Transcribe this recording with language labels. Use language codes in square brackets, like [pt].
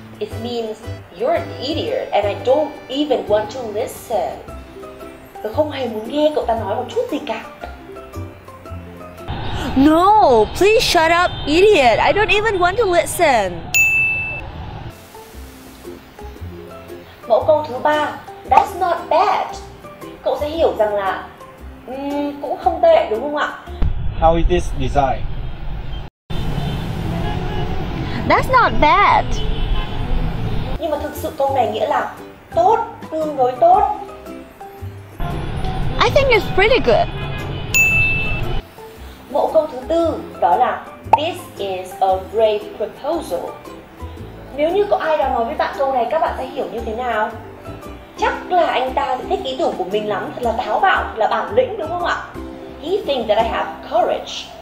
[en] It means you're an idiot and I don't even want to listen. [vi] Tôi không hề muốn nghe cậu ta nói một chút gì cả. [en] No, please shut up, idiot. I don't even want to listen. [vi] Mẫu câu thứ ba, [en] that's not bad. [vi] Cậu sẽ hiểu rằng là cũng không tệ, đúng không ạ? [en] How is this design? That's not bad. [vi] Nhưng mà thực sự câu này nghĩa là tốt, tương đối tốt. [en] I think it's pretty good. [vi] Mẫu câu thứ tư đó là [en] this is a great proposal. [vi] Nếu như có ai đó nói với bạn câu này, các bạn sẽ hiểu như thế nào? Chắc là anh ta thích ý tưởng của mình lắm, thật là táo bạo, là bản lĩnh, đúng không ạ? [en] He thinks that I have courage.